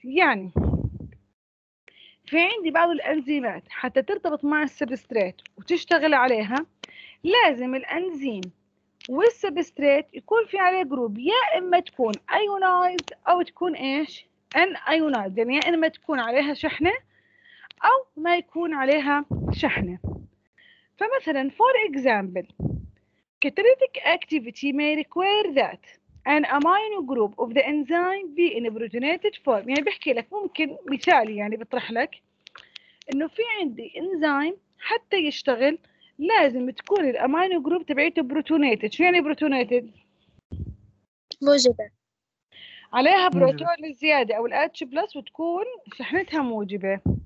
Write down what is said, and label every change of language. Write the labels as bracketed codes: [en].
[ar] يعني في عندي بعض الأنزيمات حتى ترتبط مع السبستريت وتشتغل عليها لازم الأنزيم والسبستريت يكون في عليه جروب، يا إما تكون ionized أو تكون إيش؟ an ionized، يعني يا إما تكون عليها شحنة أو ما يكون عليها شحنة. [en] فمثلاً for example catalytic activity may require that an amino group of the enzyme be in a protonated form. [ar] يعني بحكي لك ممكن مثالي يعني بطرح لك إنه في عندي enzyme حتى يشتغل لازم تكون الأمينو جروب تبعيته protonated. شو يعني protonated؟ موجبة عليها بروتون زيادة أو الH plus وتكون شحنتها موجبة.